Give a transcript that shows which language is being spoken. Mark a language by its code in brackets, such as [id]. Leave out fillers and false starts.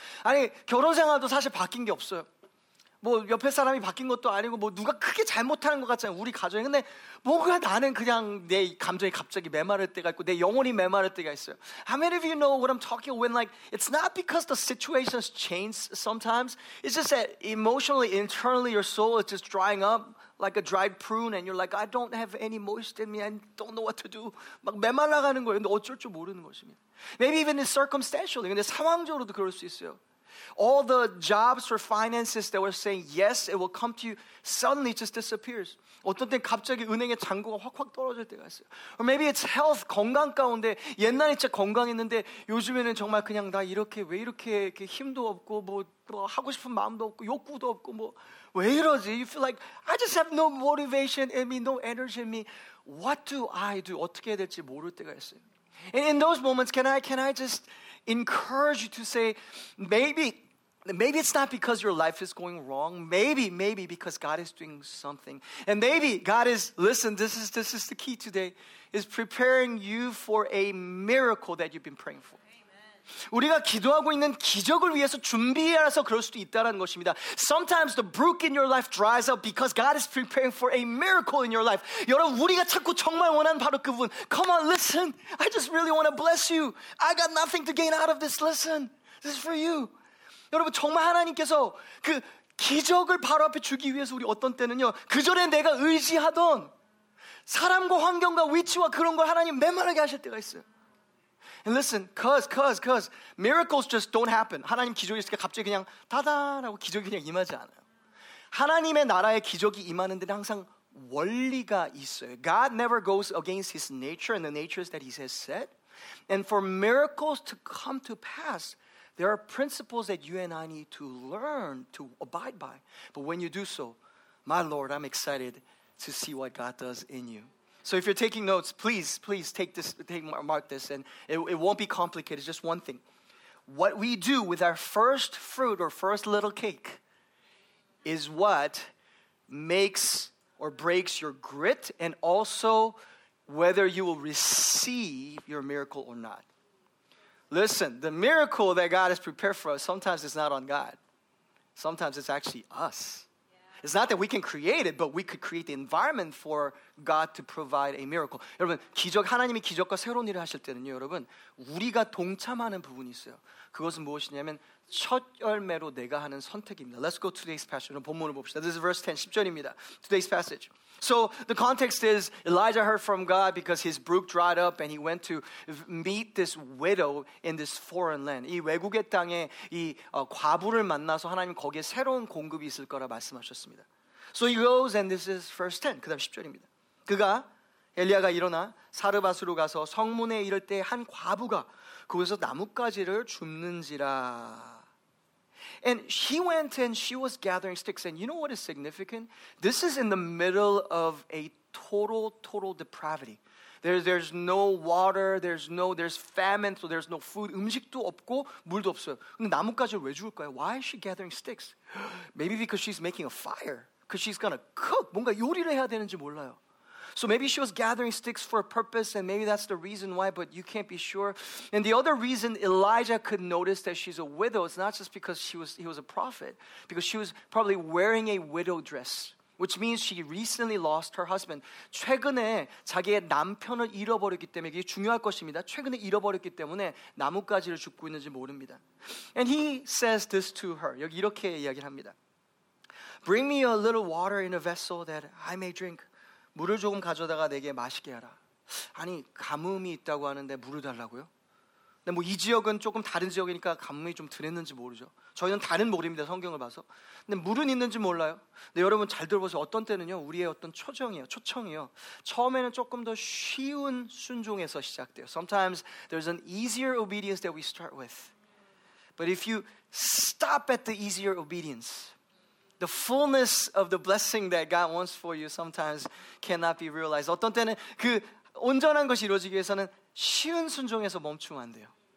[ko] 아니 결혼 생활도 사실 바뀐 게 없어요. 뭐 옆에 사람이 바뀐 것도 아니고 뭐 누가 크게 잘못하는 것 같잖아요. 우리 가정에. 근데 뭔가 나는 그냥 내 감정이 갑자기 메마를 때가 있고 내 영혼이 메마를 때가 있어요. [en] How many of you know what I'm talking about? When like it's not because the situations change sometimes. It's just that emotionally, internally, your soul is just drying up like a dried prune and you're like, I don't have any moist in me. I don't know what to do. [ko] 막 메말라가는 거예요. 근데 어쩔 줄 모르는 것입니다. [en] Maybe even circumstantially. [ko] 근데 상황적으로도 그럴 수 있어요. [en] All the jobs or finances that were saying yes, it will come to you, suddenly just disappears. [ko] 어떤 때 갑자기 은행에 잔고가 확확 떨어질 때가 있어요. [en] Or maybe it's health, [ko] 건강 가운데 옛날에 진짜 건강했는데 요즘에는 정말 그냥 나 이렇게 왜 이렇게, 이렇게 힘도 없고 뭐 하고 싶은 마음도 없고 욕구도 없고 뭐 왜 이러지? [en] You feel like I just have no motivation in me, no energy in me. What do I do? [ko] 어떻게 해야 될지 모를 때가 있어요. [en] And in those moments, can I just encourage you to say, maybe it's not because your life is going wrong. Maybe because God is doing something. And maybe God is, listen, this is the key today, is preparing you for a miracle that you've been praying for. [ko] 우리가 기도하고 있는 기적을 위해서 준비해서 그럴 수도 있다는 것입니다. [en] Sometimes the brook in your life dries up because God is preparing for a miracle in your life. [ko] 여러분 우리가 찾고 정말 원하는 바로 그분. [en] Come on, listen. I just really want to bless you. I got nothing to gain out of this. Listen. This is for you. [ko] 여러분 정말 하나님께서 그 기적을 바로 앞에 주기 위해서 우리 어떤 때는요. 그 전에 내가 의지하던 사람과 환경과 위치와 그런 걸 하나님 메마르게 하실 때가 있어요. [en] And listen, cause, miracles just don't happen. [ko] 하나님 기적이 있을 때 갑자기 그냥 다다라고 기적이 그냥 임하지 않아요. 하나님의 나라에 기적이 임하는 데는 항상 원리가 있어요. [en] God never goes against his nature and the natures that he has set. And for miracles to come to pass, There are principles that you and I need to learn to abide by. But when you do so, my Lord, I'm excited to see what God does in you. So if you're taking notes, please, please take this, mark this, and it won't be complicated. It's just one thing. What we do with our first fruit or first little cake is what makes or breaks your grit and also whether you will receive your miracle or not. Listen, the miracle that God has prepared for us, sometimes it's not on God. Sometimes it's actually us. It's not that we can create it, but we could create the environment for God to provide a miracle. [ko] 여러분, 기적, 하나님이 기적과 새로운 일을 하실 때는요, 여러분, 우리가 동참하는 부분이 있어요. 그것은 무엇이냐면 첫 열매로 내가 하는 선택입니다. [en] Let's go to today's passage. [ko] 본문을 봅시다. [en] This is verse 10, [ko] 10절입니다. [en] Today's passage. So the context is Elijah heard from God because his brook dried up and he went to meet this widow in this foreign land. [ko] 이 외국의 땅에 이 과부를 만나서 하나님 거기에 새로운 공급이 있을 거라 말씀하셨습니다. [en] So he goes and this is verse 10, [ko] 그 다음 10절입니다. 그가 엘리야가 일어나 사르밧으로 가서 성문에 이를 때 한 과부가 그곳에서 나뭇가지를 줍는지라. [en] And she went and she was gathering sticks. And you know what is significant? This is in the middle of a total depravity. There's no water. There's famine. So there's no food. [ko] 음식도 없고 물도 없어요. 근데 나뭇가지를 왜 줄까요? [en] Why is she gathering sticks? Maybe because she's making a fire. Because she's gonna cook. [ko] 뭔가 요리를 해야 되는지 몰라요. [en] So maybe she was gathering sticks for a purpose and maybe that's the reason why, but you can't be sure. And the other reason Elijah could notice that she's a widow, it's not just because he was a prophet, because she was probably wearing a widow dress, which means she recently lost her husband. [ko] 최근에 자기의 남편을 잃어버렸기 때문에, 이게 중요할 것입니다. 최근에 잃어버렸기 때문에 나뭇가지를 줍고 있는지 모릅니다. [en] And he says this to her. [ko] 여기 이렇게 이야기를 합니다. [en] Bring me a little water in a vessel that I may drink. [ko] 물을 조금 가져다가 내게 마시게 하라. 아니, 가뭄이 있다고 하는데 물을 달라고요? 근데 뭐 이 지역은 조금 다른 지역이니까 가뭄이 좀 드냈는지 모르죠. 저희는 다른 모릅니다, 성경을 봐서. 근데 물은 있는지 몰라요. 근데 여러분 잘 들어보세요. 어떤 때는요, 우리의 어떤 초청이에요. 처음에는 조금 더 쉬운 순종에서 시작돼요. [en] Sometimes there's an easier obedience that we start with. But if you stop at the easier obedience, the fullness of the blessing that God wants for you sometimes cannot be realized. [ko] 어떤 때는 그 온전한 것이 이루어지기 위해서는 쉬운 순종에서 멈추면 안 돼요.